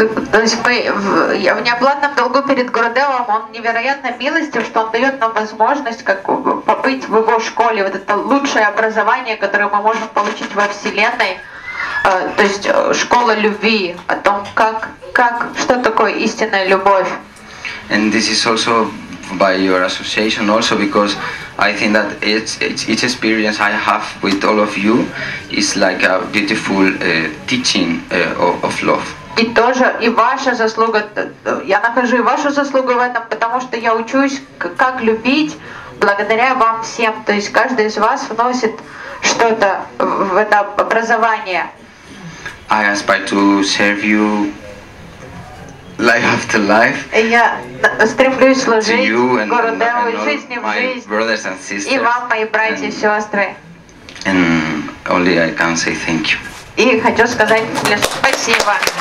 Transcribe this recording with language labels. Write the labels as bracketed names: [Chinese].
[Russian] То есть я в неоплатном долгу перед Гурудевом, он невероятно милостив, что он дает нам возможность как побыть в его школе, вот это лучшее образование, которое мы можем получить во Вселенной, то есть школа любви, о том, как что такое истинная любовь. [English] And this is also by your association also, because I think that each experience I have with all of you is like a beautiful teaching of love. [Russian] И тоже и ваша заслуга, я нахожу и вашу заслугу в этом, потому что я учусь, как любить благодаря вам всем. То есть каждый из вас вносит что-то в это образование. [English] I aspire to serve you life after life. [Russian] И я стремлюсь служить Гурудеву жизни в жизнь. И вам, мои братья и сестры. [English] And only I can say thank you. [Russian] И хочу сказать лишь спасибо.